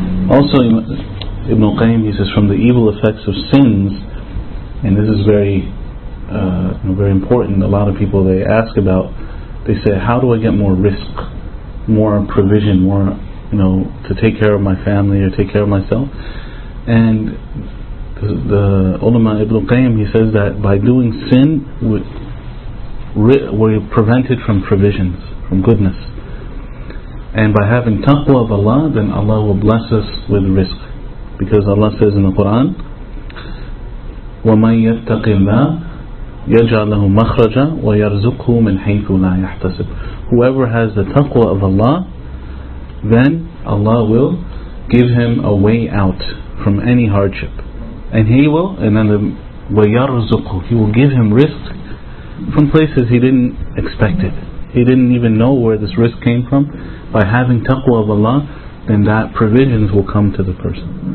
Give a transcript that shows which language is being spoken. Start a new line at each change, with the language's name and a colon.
English: Also Ibn Qayyim, he says, from the evil effects of sins, and this is very very important, a lot of people they ask about, they say, how do I get more risk, more provision, more, you know, to take care of my family or take care of myself? And the ulama Ibn Qayyim, he says that by doing sin, we're prevented from provisions, from goodness. And by having taqwa of Allah, then Allah will bless us with risk.
Arabic: Because Allah says in the Quran, وَمَنْ يَتَّقِ اللَّهِ يَجْعَلْ لَهُ مَخْرَجًا وَيَرْزُقْهُ مِنْ حَيْثُ لَا يَحْتَسِبُ.
English: Whoever has the taqwa of Allah, then Allah will give him a way out from any hardship.
Arabic: وَيَرْزُقْهُ.
English: He will give him risk from places he didn't expect it. He didn't even know where this risk came from. By having taqwa of Allah, then that provisions will come to the person.